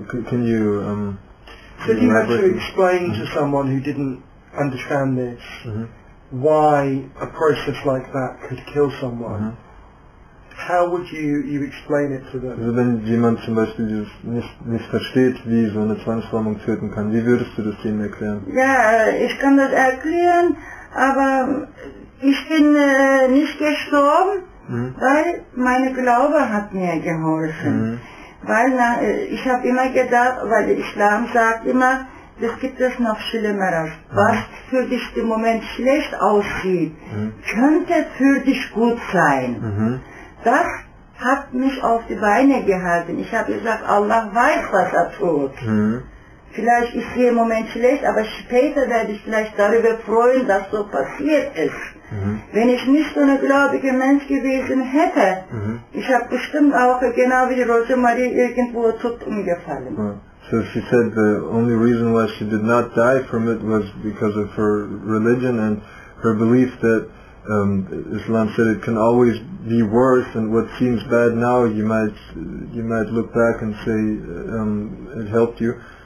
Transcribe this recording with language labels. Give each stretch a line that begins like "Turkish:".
English: So you have to explain to someone who didn't understand this, why a process like that could kill someone. How would you explain it to them?
German: Also wenn jemand zum Beispiel nicht versteht, wie so eine Zwangsräumung töten kann, wie würdest du das denen erklären? Ja, ich kann das erklären, aber ich bin nicht gestorben, weil mein Glaube hat mir geholfen. Ich habe immer gedacht, weil der Islam sagt immer, das gibt es noch Schlimmeres. Was für dich im Moment schlecht aussieht, könnte für dich gut sein. Das hat mich auf die Beine gehalten. Ich habe gesagt, Allah weiß, was er tut. Vielleicht ist sie im Moment schlecht, aber später werde ich vielleicht darüber freuen, dass so passiert ist. Mhm. Wenn ich nicht so eine gläubige Mensch gewesen hätte, ich habe bestimmt auch genau wie Rosemarie irgendwo tot umgefallen.
English: So she said the only reason why she did not die from it was because of her religion and her belief that Islam said it can always be worse, and what seems bad now, you might look back and say it helped you.